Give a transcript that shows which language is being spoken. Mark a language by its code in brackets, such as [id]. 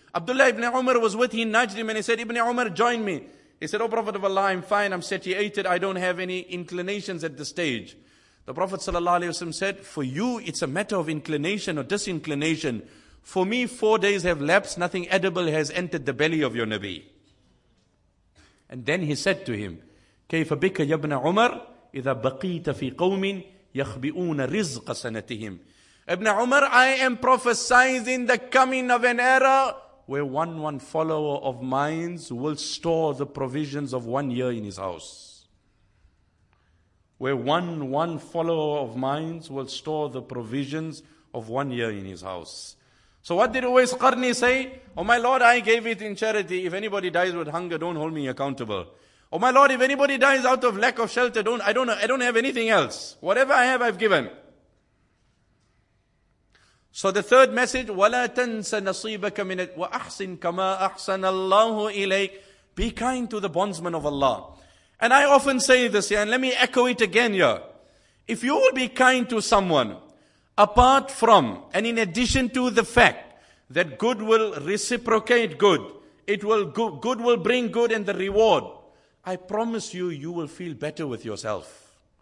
[en] Abdullah ibn Umar was with him, nudged him and he said, Ibn Umar, join me. He said, O Prophet of Allah, I'm fine, I'm satiated, I don't have any inclinations at this stage. The Prophet ﷺ said, for you it's a matter of inclination or disinclination. For me, 4 days have lapsed, nothing edible has entered the belly of your Nabi. And then he said to him, [ar] كَيْفَ بِكَ يَبْنَ عُمَرُ إِذَا بَقِيتَ فِي قَوْمٍ يَخْبِئُونَ رِزْقَ سَنَتِهِمْ. [en] Ibn Umar, I am prophesizing the coming of an era where one follower of mine will store the provisions of 1 year in his house. Where one follower of mine will store the provisions of 1 year in his house. So what did Uwais Qarni say? Oh my Lord, I gave it in charity. If anybody dies with hunger, don't hold me accountable. Oh my Lord, if anybody dies out of lack of shelter, I don't have anything else. Whatever I have, I've given. So the third message, [ar] وَلَا تَنْسَ نَصِيبَكَ مِنَ وَأَحْسِنْ كَمَا أَحْسَنَ اللَّهُ إِلَيْكَ. [en] Be kind to the bondsman of Allah. And I often say this here, and let me echo it again here. If you will be kind to someone, apart from, and in addition to the fact, that good will reciprocate good, good will bring good and the reward, I promise you, you will feel better with yourself.